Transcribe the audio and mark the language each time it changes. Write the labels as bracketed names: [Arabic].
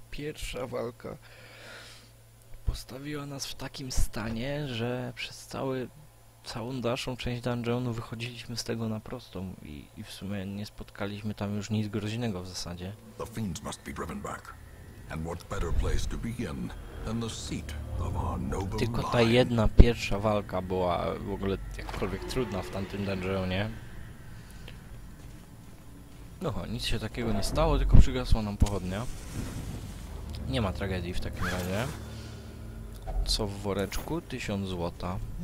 [Polish] Pierwsza walka postawiła nas w takim stanie, że przez całą dalszą część dungeonu wychodziliśmy z tego na prostą i w sumie nie spotkaliśmy tam już nic groźnego w zasadzie. [English] The fiends must be driven back. And what better place to begin than the seat of our noble line. [Polish] Tylko ta jedna pierwsza walka była w ogóle jakkolwiek trudna w tamtym dungeonie. No, nic się takiego nie stało, tylko przygasła nam pochodnia. Nie ma tragedii w takim razie. Co w woreczku? 1000 złota.